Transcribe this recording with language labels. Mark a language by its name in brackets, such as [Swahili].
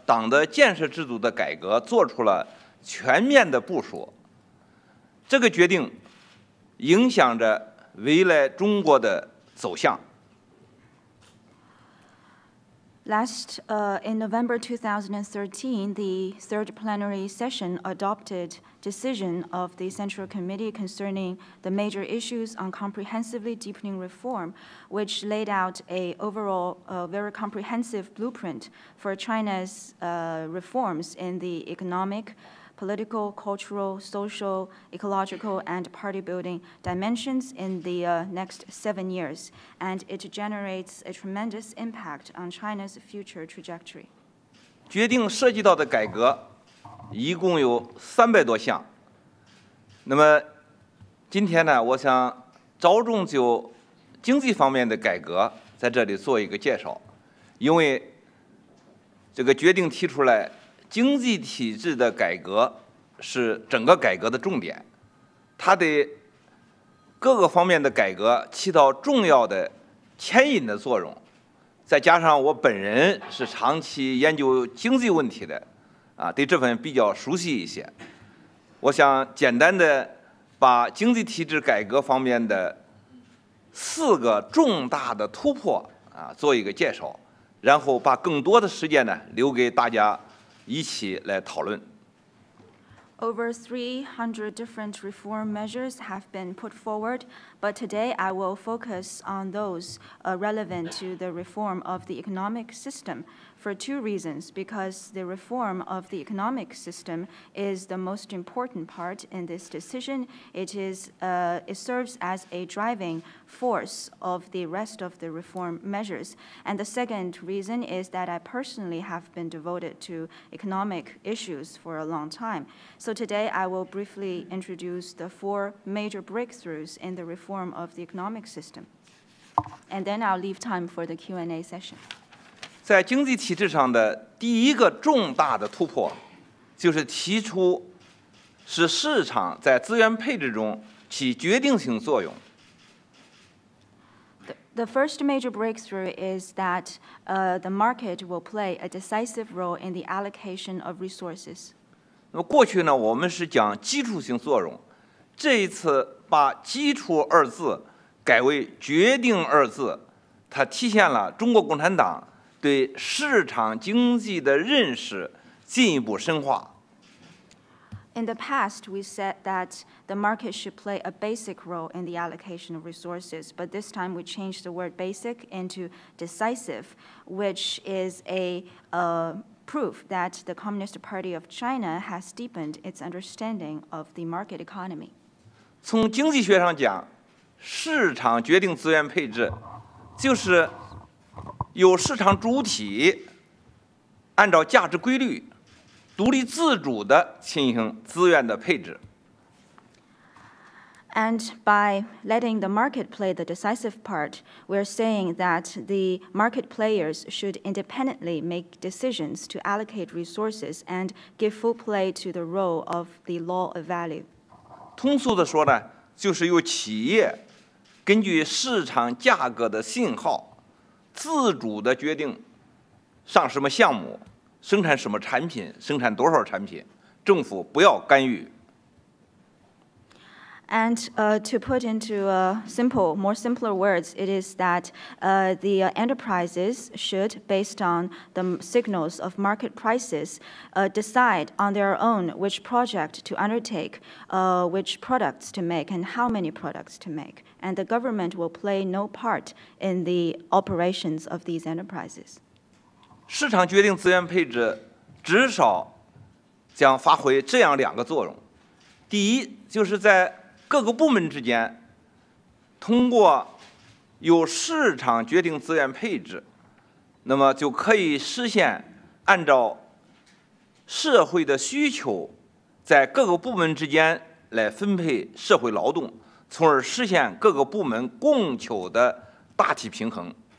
[Chinese] 去年11月，中国共产党召开的18届三中全会所做出的决定，对未来7年中国的经济体制、政治体制、文化体制、社会体制、生态文明体制和党的建设制度的改革做出了全面的部署。这个决定影响着未来中国的走向。 [English] In November 2013, the third plenary session adopted decision of the Central Committee concerning the major issues on comprehensively deepening reform, which laid out a overall very comprehensive blueprint for China's reforms in the economic, political, cultural, social, ecological, and party building dimensions in the next 7 years, and it generates a tremendous impact on China's future trajectory. [Chinese] 决定涉及到的改革一共有300多项。那么今天呢，我想着重就经济方面的改革在这里做一个介绍，因为这个决定提出来经济体制的改革是整个改革的重点，它对各个方面的改革起到重要的牵引的作用。再加上我本人是长期研究经济问题的，啊，对这份比较熟悉一些。我想简单的把经济体制改革方面的4个重大的突破啊做一个介绍，然后把更多的时间呢留给大家一起来讨论。 [English] Over 300 different reform measures have been put forward, but today I will focus on those relevant to the reform of the economic system for 2 reasons, because the reform of the economic system is the most important part in this decision. It serves as a driving force of the rest of the reform measures. And the second reason is that I personally have been devoted to economic issues for a long time. So today I will briefly introduce the 4 major breakthroughs in the reform of the economic system. And then I'll leave time for the Q&A session. [Chinese] 在经济体制上的第一个重大的突破，就是提出使市场在资源配置中起决定性作用。 [English] The first major breakthrough is that the market will play a decisive role in the allocation of resources. [Chinese] 那么过去呢，我们是讲基础性作用，这一次把“基础”二字改为“决定”二字，它体现了中国共产党对市场经济的认识进一步深化。 [English] In the past, we said that the market should play a basic role in the allocation of resources, but this time we changed the word basic into decisive, which is a proof that the Communist Party of China has deepened its understanding of the market economy. [Chinese] 从经济学上讲，市场决定资源配置，就是由市场主体按照价值规律独立自主地进行资源的配置。 [English] And by letting the market play the decisive part, we're saying that the market players should independently make decisions to allocate resources and give full play to the role of the law of value. [Chinese] 通俗地说呢，就是由企业根据市场价格的信号，自主地决定上什么项目，生产什么产品，生产多少产品，政府不要干预。 [English] And to put into more simpler words, it is that the enterprises should, based on the signals of market prices, decide on their own which project to undertake, which products to make, and how many products to make. And the government will play no part in the operations of these enterprises. [Chinese] 市场决定资源配置至少将发挥这样两个作用。第一，就是在各个部门之间，通过由市场决定资源配置，那么就可以实现按照社会的需求，在各个部门之间来分配社会劳动，从而实现各个部门供求的大体平衡。